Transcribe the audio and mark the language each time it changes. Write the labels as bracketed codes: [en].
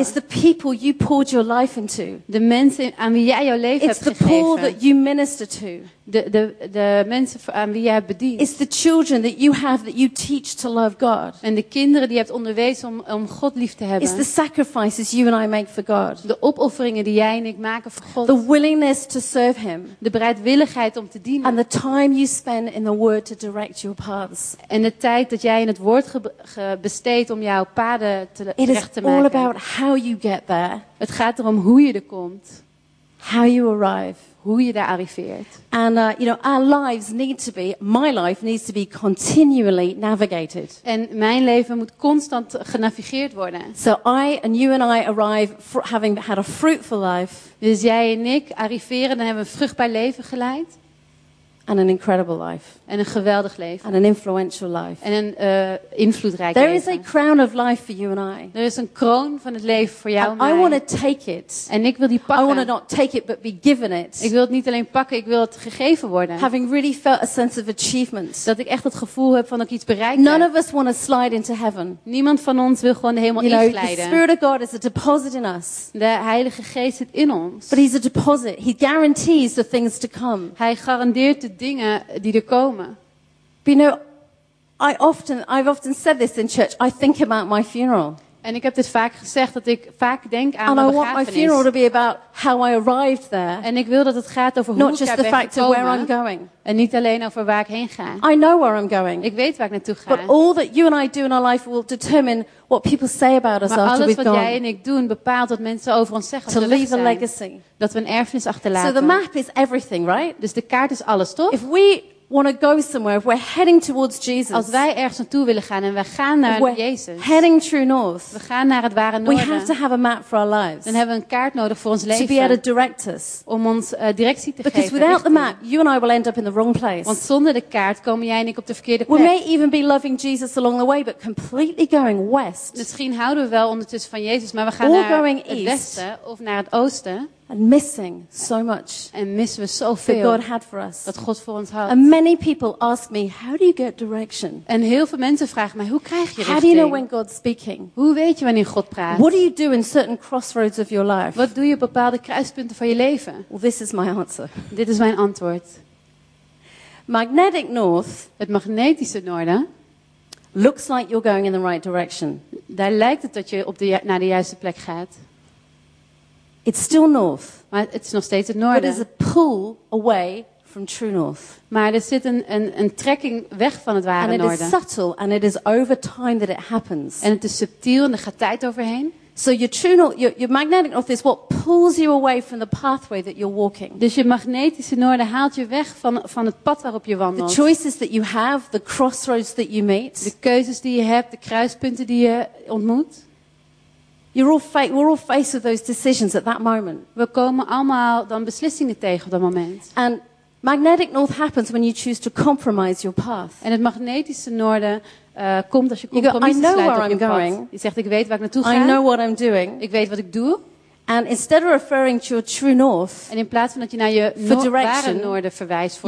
[en] It's the people you poured your life into. [nl] De mensen aan wie jij jouw leven [en] It's [nl] hebt gegeven. [en] It's the poor that you minister to. [nl] De mensen aan wie jij bedient. [en] It's the children that you have that you teach to love God. [nl] En de kinderen die je hebt onderwezen om God lief te hebben. [en] It's the sacrifices you and I make for God. [nl] De opofferingen die jij en ik maken voor God. [en] The willingness to serve Him. [nl] De bereidwilligheid om te dienen. [en] And the time you spend in the Word to direct your paths. [nl] En de tijd dat jij in het Woord besteedt om jouw paden terecht te maken. [en] It is all about how you get there. [nl] Het gaat erom hoe je er komt. [en] How you arrive. [nl] Hoe je daar arriveert. [en] And you know, our lives need to be, my life needs to be continually navigated. [nl] En mijn leven moet constant genavigeerd worden. [en] So I and you and I arrive having had a fruitful life. [nl] Dus jij en ik arriveren en hebben een vruchtbaar leven geleid. [en] And an incredible life. [nl] En een geweldig leven. [en] And an influential life. [nl] En een invloedrijk leven. [en] There is a crown of life for you and I. [nl] Er is een kroon van het leven voor jou en mij. [en] I want to take it. [nl] En ik wil die pakken. [en] I want to not take it but be given it. [nl] Ik wil het niet alleen pakken, ik wil het gegeven worden. [en] Having really felt a sense of achievement. [nl] Dat ik echt het gevoel heb van dat ik iets bereikt [en] None [nl] heb. [en] None of us want to slide into heaven. [nl] Niemand van ons wil gewoon de hemel [en] you know, [nl] inglijden. [en] The Spirit of God is a deposit in us. [nl] De Heilige Geest zit in ons. [en] But he's a deposit. He guarantees the things to come. [nl] Hij garandeert de dingen die er komen. [en] But you know, I've often said this in church. I think about my funeral. [nl] En ik heb dit vaak gezegd dat ik vaak denk aan [en] And [nl] mijn [en] I want [nl] begrafenis. [en] My funeral to be about how I arrived there. [nl] En ik wil dat het gaat over [en] Not [nl] hoe [en] just [nl] ik daar ben gekomen. [en] To where I'm going. [nl] En niet alleen over waar ik heen ga. [en] I know where I'm going. [nl] Ik weet waar ik naartoe ga. [en] But all that you and I do in our life will determine what people say about us [nl] maar [en] after we've gone. [nl] Alles wat jij en ik doen bepaalt wat mensen over ons zeggen. [en] To leave a legacy. [nl] Dat we een erfenis achterlaten. [en] So the map is everything, right? [nl] Dus de kaart is alles, toch? [en] If we want to go somewhere, if we're heading towards Jesus. [nl] Als wij ergens naartoe willen gaan en we gaan naar Jezus. [en] Heading true north. [nl] We gaan naar het ware noorden. [en] We have to have a map for our lives. [nl] Dan hebben we een kaart nodig voor ons leven. [en] To be able to direct us. [nl] Om ons directie te geven. [en] Because without the map, you and I will end up in the wrong place. [nl] Want zonder de kaart komen jij en ik op de verkeerde plek. [en] We may even be loving Jesus along the way, but completely going west. [nl] Misschien houden we wel ondertussen van Jezus, maar we gaan naar [en] going [nl] het westen of naar het oosten. [en] And missing so much. [nl] En missen we zoveel. [en] That God had for us. [nl] Dat God voor ons had. [en] And many people ask me, how do you get direction? [nl] En heel veel mensen vragen mij, hoe krijg je richting? [en] How do you know when God's speaking? [nl] Hoe weet je wanneer God praat? [en] What do you do in certain crossroads of your life? [nl] Wat doe je op bepaalde kruispunten van je leven? [en] Well, this is my answer. [nl] Dit is mijn antwoord. [en] Magnetic North. [nl] Het magnetische noorden. [en] Looks like you're going in the right direction. [nl] Daar lijkt het dat je naar de juiste plek gaat. [en] It's still north. [nl] Maar het is nog steeds het noorden. [en] But there's a pull away from true north. [nl] Maar er zit een trekking weg van het ware noorden. [en] And it is subtle and it is over time that it happens. [nl] En het is subtiel en er gaat tijd overheen. [en] So your true north, your magnetic north is what pulls you away from the pathway that you're walking. [nl] Dus je magnetische noorden haalt je weg van het pad waarop je wandelt. [en] The choices that you have, the crossroads that you meet. [nl] De keuzes die je hebt, de kruispunten die je ontmoet. [en] We're all faced with those decisions at that moment. [nl] We komen allemaal dan beslissingen tegen op dat moment. [en] And Magnetic north happens when you choose to compromise your path. [nl] En het magnetische noorden komt als je compromissen sluit op je pad. Je zegt, ik weet waar ik naartoe ga. [en] I know what I'm doing. [nl] Ik weet wat ik doe. [en] And instead of referring to your true north, [nl] en in plaats van dat je naar je ware noorden verwijst voor